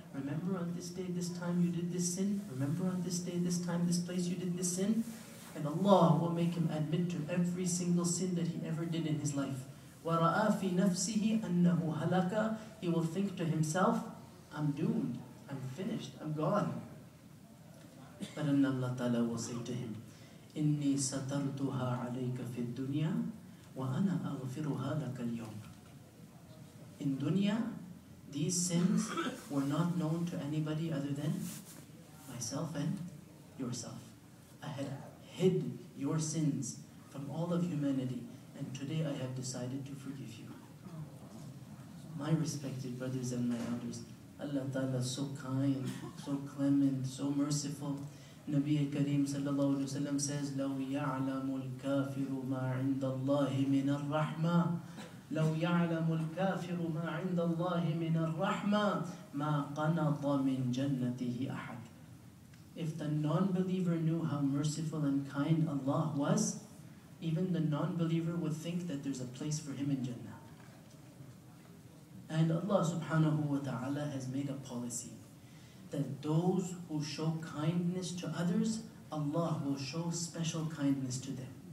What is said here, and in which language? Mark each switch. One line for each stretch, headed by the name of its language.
English: Remember on this day, this time you did this sin? Remember on this day, this time, this place you did this sin? And Allah will make him admit to every single sin that he ever did in his life.
Arabic: وَرَآ فِي نَفْسِهِ أَنَّهُ هَلَكَ.
English: He will think to himself, I'm doomed, I'm finished, I'm gone. But Allah Ta'ala will say to him,
Arabic: إِنِّي سَتَرْتُهَا عَلَيْكَ فِي الدُّنْيَا وَأَنَا أَغْفِرُهَا لَكَ الْيَوْمَ.
English: In dunya, these sins were not known to anybody other than myself and yourself. I had hid your sins from all of humanity, and today I have decided to forgive you. my respected brothers and my elders, Allah Ta'ala is so kind, so clement, so merciful. Nabi Kareem sallallahu alayhi wa sallam says,
Arabic: لَوْ يَعْلَمُ الْكَافِرُ مَا عِنْدَ اللَّهِ مِنَ الرَّحْمَةِ لَوْ يَعْلَمُ الْكَافِرُ مَا عِنْدَ اللَّهِ مِنَ الرَّحْمَةِ مَا قَنَطَ مِنْ جَنَّتِهِ أَحَدٍ.
English: If the non-believer knew how merciful and kind Allah was, even the non-believer would think that there's a place for him in Jannah. And Allah subhanahu wa ta'ala has made a policy that those who show kindness to others, Allah will show special kindness to them.